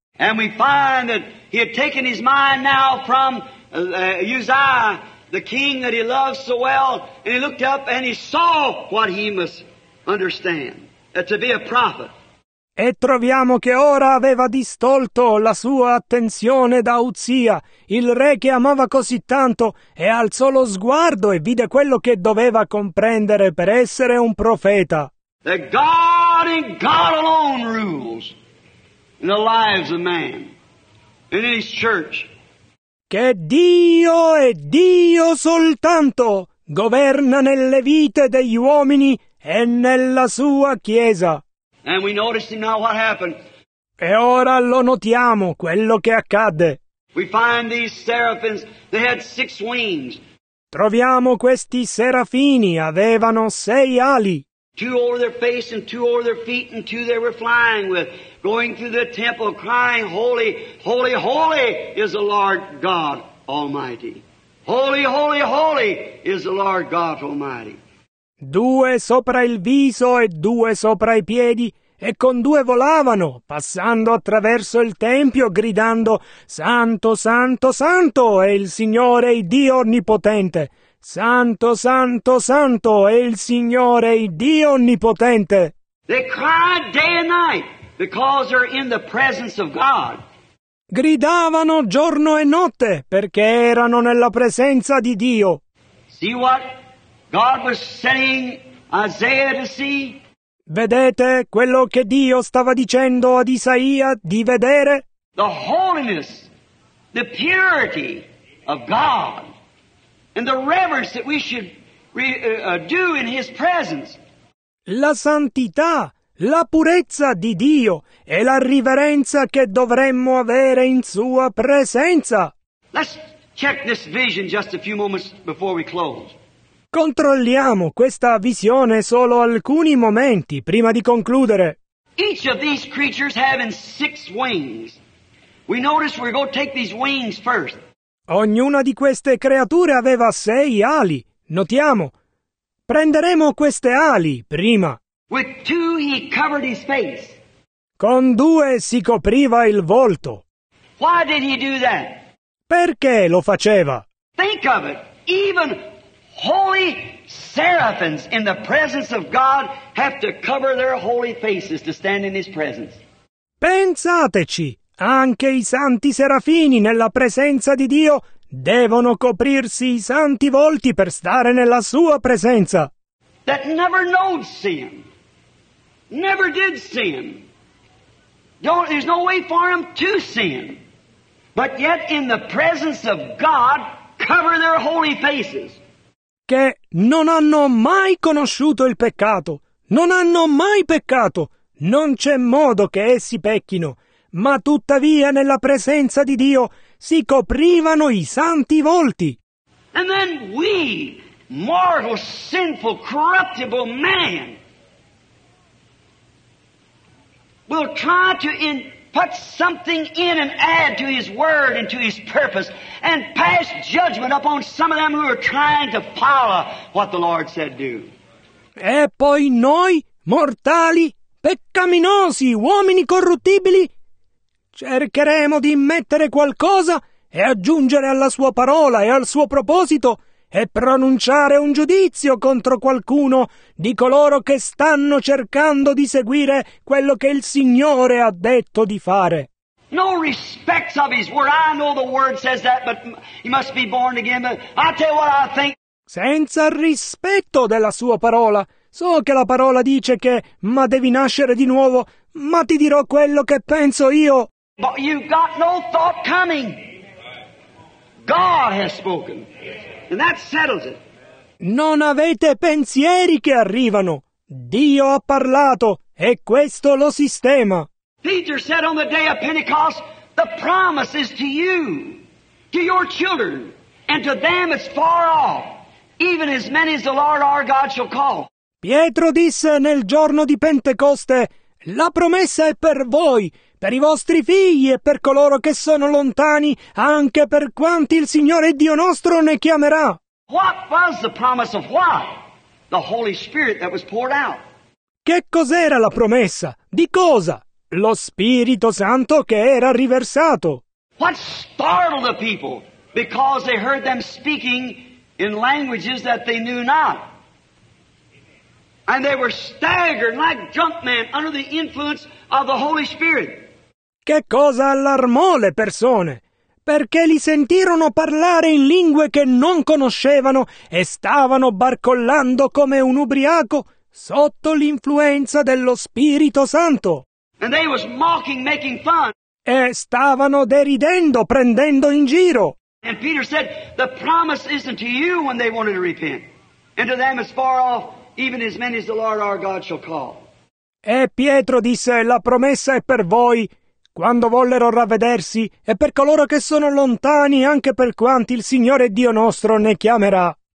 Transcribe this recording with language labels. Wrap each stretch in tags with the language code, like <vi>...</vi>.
<en>And we find that he had taken his mind now from Uzziah, the king that he loved so well, and he looked up and he saw what he must understand, to be a prophet.</en> <it>E troviamo che ora aveva distolto la sua attenzione da Uzzia, il re che amava così tanto, e alzò lo sguardo e vide quello che doveva comprendere per essere un profeta.</it> <en>That God and God alone rules in the lives of man. and in his church.</en> <it>Che Dio e Dio soltanto governa nelle vite degli uomini e nella sua Chiesa.</it> <en>And we noticed him now what happened.</en> <it>E ora lo notiamo quello che accadde.</it> <en>We find these seraphims, they had six wings.</en> <it>Troviamo questi serafini, avevano sei ali.</it> <en>Two over their face and two over their feet and two they were flying with, going through the temple crying, Holy, holy, holy is the Lord God Almighty. Holy, holy, holy is the Lord God Almighty.</en> <it>Due sopra il viso e due sopra i piedi, e con due volavano, passando attraverso il tempio, gridando, Santo, santo, santo è il Signore, il Dio Onnipotente. Santo, santo, santo è il Signore, il Dio Onnipotente.</it> <en>They cried day and night because they're in the presence of God.</en> <it>Gridavano giorno e notte perché erano nella presenza di Dio.</it> <en>See what God was sending Isaiah to see?</en> <it>Vedete quello che Dio stava dicendo ad Isaia di vedere?</it> <en>The holiness, the purity of God, and the reverence that we should do in His presence.</en> <it>La santità, la purezza di Dio e la riverenza che dovremmo avere in Sua presenza.</it> <en>Let's check this vision just a few moments before we close.</en> <it>Controlliamo questa visione solo alcuni momenti prima di concludere.</it> <en>Each of these creatures having six wings. We notice we're going to take these wings first.</en> <it>Ognuna di queste creature aveva sei ali. Notiamo. Prenderemo queste ali prima.</it> <en>With two he covered his face.</en> <it>Con due si copriva il volto.</it> <en>Why did he do that?</en> <it>Perché lo faceva?</it> <en>Think of it. Even holy seraphims in the presence of God have to cover their holy faces to stand in His presence.</en> <it>Pensateci, anche i santi serafini nella presenza di Dio devono coprirsi i santi volti per stare nella Sua presenza.</it> <en>That never known sin, never did sin. There's no way for them to sin, but yet in the presence of God cover their holy faces.</en> <it>Che non hanno mai conosciuto il peccato, non hanno mai peccato, non c'è modo che essi pecchino, ma tuttavia nella presenza di Dio si coprivano i santi volti.</it> <en>And then we, mortal, sinful, corruptible man, will try to put something in and add to His word and to His purpose and pass judgment upon some of them who are trying to follow what the Lord said do.</en> <it>E poi noi, mortali, peccaminosi, uomini corruttibili, cercheremo di mettere qualcosa e aggiungere alla Sua parola e al Suo proposito e pronunciare un giudizio contro qualcuno di coloro che stanno cercando di seguire quello che il Signore ha detto di fare.</it> <en>No respect of His word. I know the word says that, but you must be born again. But I tell you what I think.</en> <it>Senza rispetto della Sua parola. So che la parola dice che ma devi nascere di nuovo, ma ti dirò quello che penso io.</it> <en>But you've got no thought coming. God has spoken. And that settles it.</en> <it>Non avete pensieri che arrivano. Dio ha parlato e questo lo sistema.</it> <en>Peter said on the day of Pentecost, the promise is to you, to your children, and to them as far off, even as many as the Lord our God shall call.</en> <it>Pietro disse nel giorno di Pentecoste, la promessa è per voi, per i vostri figli e per coloro che sono lontani, anche per quanti il Signore Dio nostro ne chiamerà.</it> <en>What was the promise of what? The Holy Spirit that was poured out.</en> <it>Che cos'era la promessa? Di cosa? Lo Spirito Santo che era riversato.</it> <en>What startled the people because they heard them speaking in languages that they knew not? And they were staggered like drunk men under the influence of the Holy Spirit.</en> <it>Che cosa allarmò le persone? Perché li sentirono parlare in lingue che non conoscevano e stavano barcollando come un ubriaco sotto l'influenza dello Spirito Santo.</it> <en>And they was mocking, making fun.</en> <it>e stavano deridendo, prendendo in giro.</it> <en>And Peter said, the promise isn't to you when they wanted to repent, and to them as far off, even as many as the Lord our God shall call.</en> <it>E Pietro disse, la promessa è per voi, quando vollero ravvedersi, e per coloro che sono lontani, anche per quanti il Signore Dio nostro ne chiamerà.</it>